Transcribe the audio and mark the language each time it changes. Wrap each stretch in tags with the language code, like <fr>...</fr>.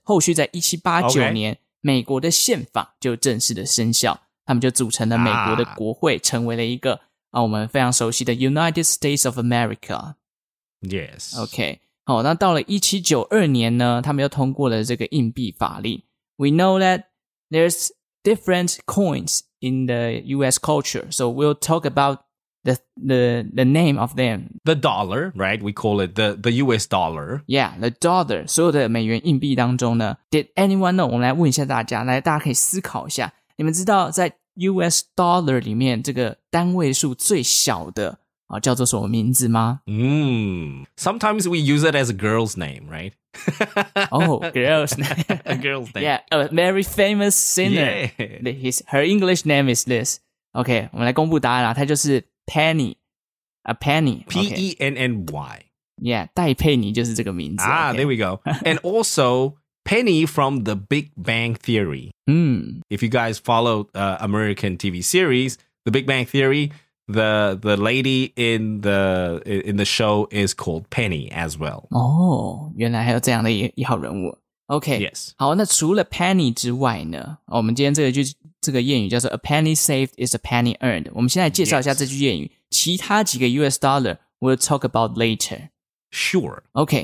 <zh>后续在1789年、</zh> <en>okay.</en> <zh>美国的宪法就正式的生效。他们就组成了美国的国会、 ah. 成为了一个我们非常熟悉的 United States of America。</zh> <en>Yes. OK。</en> <zh>好，那到了1792年呢他们又通过了这个硬币法令。</zh> <en>We know that there's different coins in the US culture. So we'll talk about the name of them. The dollar, right? We call it the US dollar. Yeah, the dollar.</en> <zh>所有的美元硬币当中呢</zh> <en>Did anyone know?</en> <zh>我们来问一下大家，来大家可以思考一下，你们知道在 US dollar 里面这个单位数最小的叫做什么名字吗？</zh> <en>Sometimes we use it as a girl's name, right? Oh, girl's name. A girl's name. Yeah, a very famous singer. Yeah. Her English name is this. Okay,</en> <zh>我们来公布答案啦。</zh> <en>它就是 Penny. A penny. Okay. P-E-N-N-Y.</en> <zh>Yeah, 戴佩妮就是这个名字。 Ah,</zh> <en>okay. There we go. And also, Penny from the Big Bang Theory. If you guys follow American TV series, the Big Bang Theory... The lady in the show is called Penny as well.</en> <zh>Oh, 原来还有这样的 一号人物。</zh> <en>OK. Yes.</en> <zh>好，那除了 Penny 之外呢，我们今天这个句这个谚语叫做</zh> <en>A penny saved is a penny earned.</en> <zh>我们先来介绍一下这句谚语。</zh> <en>Yes.</en> <zh>其他几个</zh> <en>US dollar we'll talk about later. Sure. OK.</en>